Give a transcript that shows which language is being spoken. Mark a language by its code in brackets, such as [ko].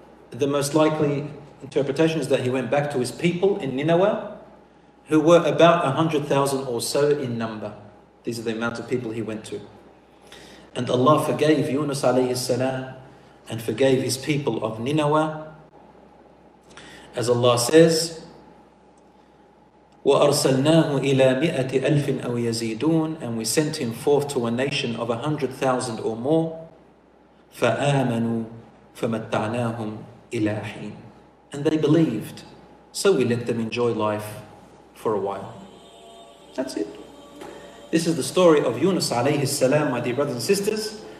[en] The most likely interpretation is that he went back to his people in Nineveh, who were about 100,000 or so in number. These are the amount of people he went to. And Allah forgave Yunus alayhi salam and forgave his people of Nineveh. As Allah says, [ar] وَأَرْسَلْنَاهُ إِلَىٰ مِئَةِ أَلْفٍ أَوْ يَزِيدُونَ. [en] And we sent him forth to a nation of 100,000 or more. [ar] فَآمَنُوا فَمَتَّعْنَاهُمْ إِلَىٰ حِينَ. [en] And they believed. So we let them enjoy life for a while. That's it. This is the story of Yunus alayhi salam, my dear brothers and sisters.